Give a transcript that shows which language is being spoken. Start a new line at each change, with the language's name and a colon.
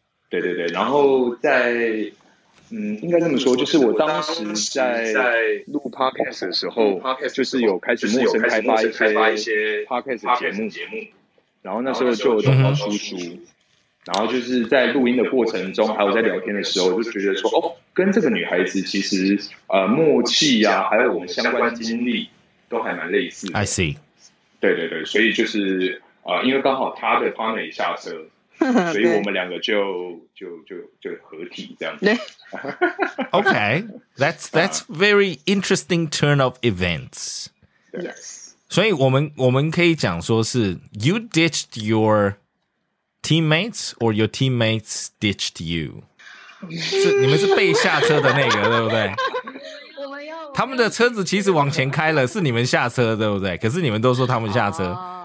Chinese: 对对对，然后在应该这么说，就是我当时在录 podcast 的时候，就是有开始陌生开发一些 podcast 节目，然后那时候就有找到叔叔，然后就是在录音的过程中，还有在聊天的时候，就觉得说，哦，跟这个女孩子其实默契啊，还有我们相关经历都还蛮类似的。
English: I see。
Chinese: 对对对，所以就是因为刚好她的 partner 下车。所以我们两个就合体这样子。
English: Okay, that's very interesting turn of events. Yes.
Chinese: 所以我们可以讲说是
English: you ditched your teammates or your teammates ditched you.
Chinese: 是你们是被下车的那个，对不对？他们的车子其实往前开了，是你们下车，对不对？可是你们都说他们下车。